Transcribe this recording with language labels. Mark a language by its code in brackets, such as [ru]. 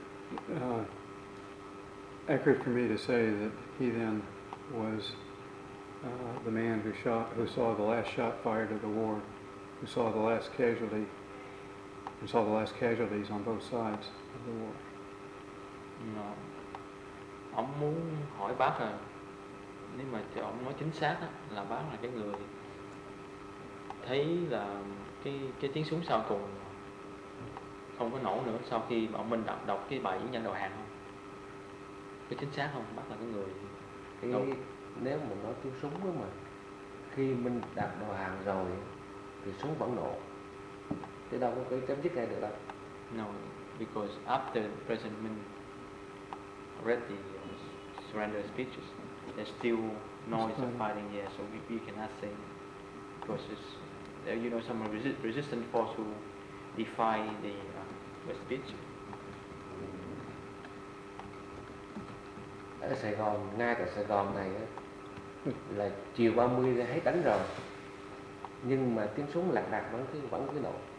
[en] Is it accurate for me to say that he then was the man who shot, who saw the last shot fired at the war, who saw the last casualty, who saw the last casualties on both sides of the war? No. [vi] Ông muốn hỏi bác là nếu mà ông nói chính xác á, là bác là cái người thấy là cái tiếng súng sau cùng không có nổ nữa sau khi mà ông Minh đọc cái bài diễn văn đầu hàng không? Cái chính xác không? Bác là cái người thì nếu mà nói tiếng súng đó mà khi Minh đặt đầu hàng rồi thì súng vẫn nổ, thế đâu có cái chấm dứt ngay được đâu. [en] No, because after President Minh read the surrender speeches, there's still noise of fighting here, so we cannot say, because it's, you know, some resistance force who defy the speech. [vi] Ở Sài Gòn, ngay cả Sài Gòn này ấy, là chiều 30 đã hết đánh rồi, nhưng mà tiếng súng lạc đạc vẫn cứ nổ.